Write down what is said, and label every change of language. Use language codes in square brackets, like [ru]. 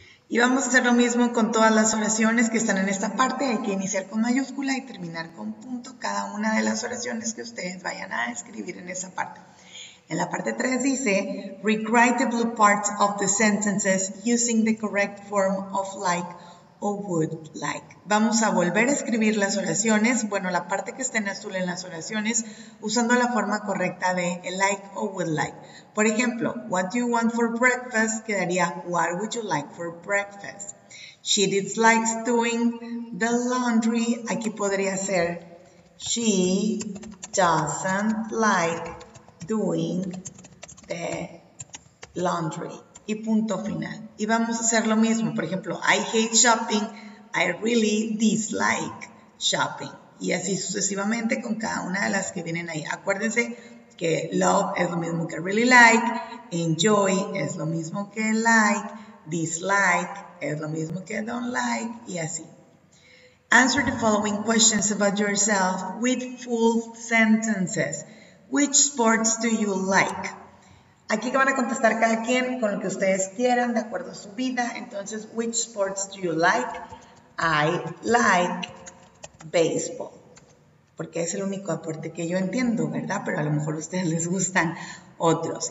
[es] Y vamos a hacer lo mismo con todas las oraciones que están en esta parte. Hay que iniciar con mayúscula y terminar con punto cada una de las oraciones que ustedes vayan a escribir en esa parte. En la parte 3 dice, [en] rewrite the blue parts of the sentences using the correct form of like or would like. [es] Vamos a volver a escribir las oraciones, bueno, la parte que está en azul en las oraciones, usando la forma correcta de like or would like. Por ejemplo, [en] what do you want for breakfast? [es] Quedaría, [en] what would you like for breakfast? She dislikes doing the laundry. [es] Aquí podría ser, [en] she doesn't like doing the laundry. [es] Y punto final. Y vamos a hacer lo mismo. Por ejemplo, [en] I hate shopping. I really dislike shopping. [es] Y así sucesivamente con cada una de las que vienen ahí. Acuérdense que love es lo mismo que really like. Enjoy es lo mismo que like. Dislike es lo mismo que don't like. Y así. [en] Answer the following questions about yourself with full sentences. Which sports do you like? [es] Aquí van a contestar cada quien con lo que ustedes quieran, de acuerdo a su vida. [en] Entonces, which sports do you like? I like baseball. [es] Porque es el único deporte que yo entiendo, ¿verdad? Pero a lo mejor a ustedes les gustan otros.